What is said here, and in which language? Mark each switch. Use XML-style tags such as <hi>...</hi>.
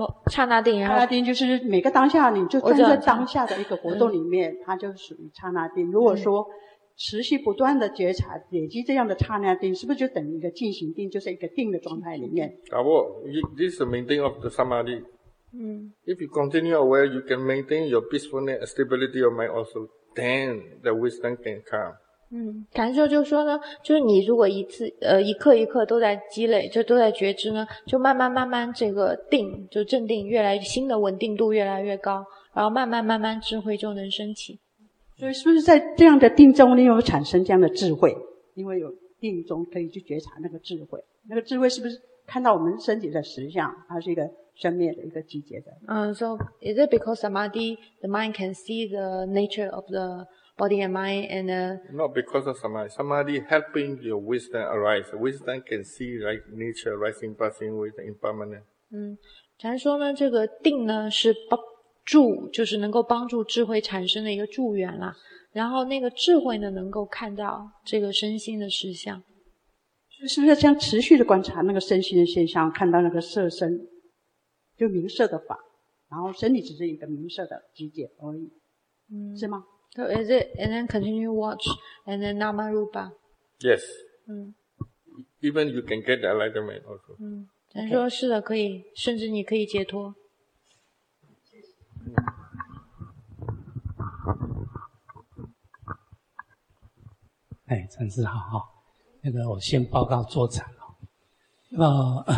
<zh>刹那定，刹那定就是每个当下你就站在当下的一个活动里面，它就属于刹那定。如果说持续不断的觉察累积这样的刹那定，是不是就等于一个进行定，就是一个定的状态里面？</zh> <en>This is the maintain of the samadhi. If you continue aware, you can maintain your peacefulness and stability of mind also, then the wisdom can come.</en> <zh>感受就是说呢，就是你如果一刻一刻都在积累，就都在觉知呢，就慢慢慢慢这个定，就镇定越来新的稳定度越来越高，然后慢慢慢慢智慧就能升起。所以是不是在这样的定中你有产生这样的智慧，因为有定中可以去觉察那个智慧，那个智慧是不是看到我们身体的实相，它是一个生灭的一个集结的。</zh> <en>So is it because samadhi the mind can see the nature of the body and mind and not because of samadhi, samadhi helping your wisdom arise, wisdom can see like nature rising passing with impermanent.</en> <zh>禅说呢这个定呢是就是能够帮助智慧产生的一个助缘啦，然后那个智慧呢能够看到这个身心的实相。是不是这样持续的观察那个身心的现象，看到那个色身就名色的法，然后身体只是一个名色的集结而已，是吗？</zh> <en>So is it and then continue watch and then nama rupa? Yes. Even you can get the enlightenment also.</en> <zh>咱说是的，可以，甚至你可以解脱。哎，禅师好哈。那个我先报告坐禅哦。</zh>